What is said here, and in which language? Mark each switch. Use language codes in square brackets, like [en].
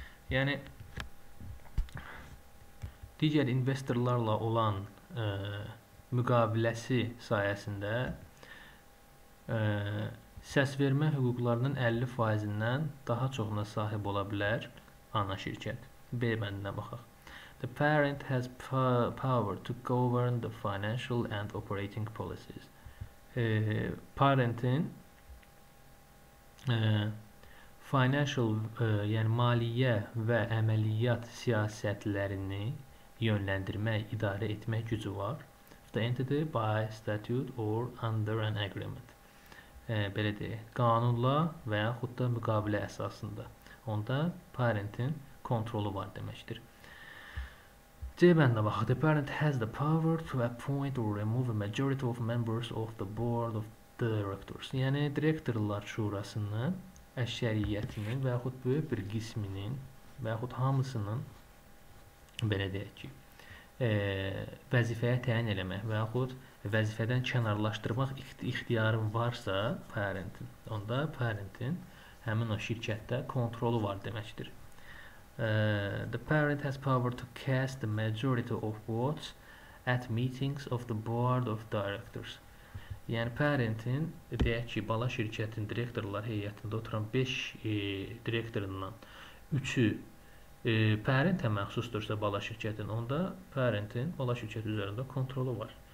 [az] Yani digər investorlarla olan müqaviləsi sayəsində səs vermə hüquqlarının 50%-dən daha çoxuna sahib ola bilər ana şirkət. B bəndinə baxaq. [en] The parent has power to govern the financial and operating policies. [az] Parentin financial yəni maliyyə və əməliyyat siyasətlərini yönləndirmək, idarə etmək gücü var. [en] The entity by statute or under an agreement. [az] Belə deyək, qanunla və yaxud da müqavilə əsasında. Onda parentin kontrolu var deməkdir. C bəndə baxıq. [en] The parent has the power to appoint or remove a majority of members of the board of directors. [az] Yəni, direktorlar şurasının əşəriyyətinin və yaxud böyük bir qisminin və yaxud hamısının belə deyək ki, vəzifəyə təyin eləmək və yaxud vəzifədən kənarlaşdırmaq ixtiyarı varsa parentin, onda parentin həmin o şirkətdə kontrolu var deməkdir. [en] The parent has power to cast the majority of votes at meetings of the board of directors. [az] Yəni parentin, deyək ki, bala şirkətin direktorlar heyətində oturan 5 direktorundan 3-ü parentə məxsusdursa bala şirkətin, onda parentin bala şirkəti üzərində kontrolu var.